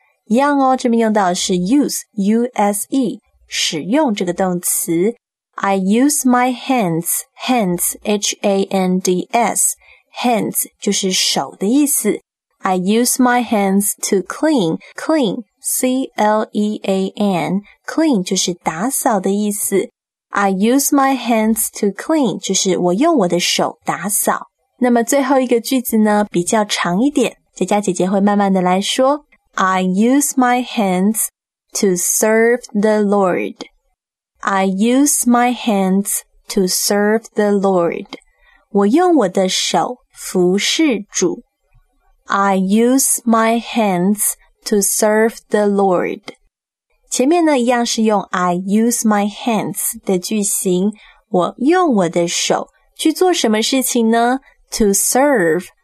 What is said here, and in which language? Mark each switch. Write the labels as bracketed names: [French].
[Chinese] 一样哦，这边用到的是 use, U-S-E, 使用这个动词。 [English] I use my hands, hands, H-A-N-D-S, hands [Chinese] 就是手的意思。 [English] I use my hands to clean, clean, C-L-E-A-N, clean [Chinese] 就是打扫的意思。 [English] I use my hands to clean, [Chinese] 就是我用我的手打扫。那么最后一个句子呢，比较长一点，佳佳姐姐会慢慢的来说。 [English] I use my hands to serve the Lord. I use my hands to serve the Lord. [Chinese] 我用我的手服侍主。 [English] I use my hands to serve the Lord. [Chinese] 前面呢一样是用 [English] I use my hands [Chinese] 的句型，我用我的手去做什么事情呢？ [English] To serve,